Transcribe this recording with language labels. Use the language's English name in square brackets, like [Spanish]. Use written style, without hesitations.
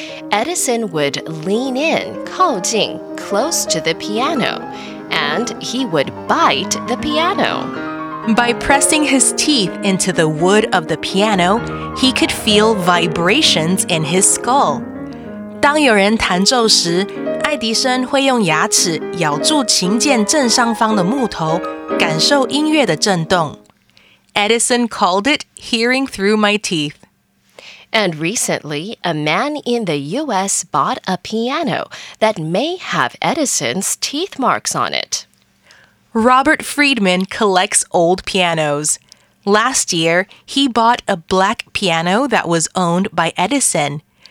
[English] Edison would lean in, 靠近, close to the piano, and he would bite the piano. By pressing his teeth into the wood of the piano, he could feel vibrations in his skull. [Chinese] 当有人弹奏时，爱迪生会用牙齿咬住琴键正上方的木头，感受音乐的震动。 [English] Edison called it hearing through my teeth. And recently, a man in the U.S. bought a piano that may have Edison's teeth marks on it. Robert Friedman collects old pianos. Last year, he bought a black piano that was owned by Edison.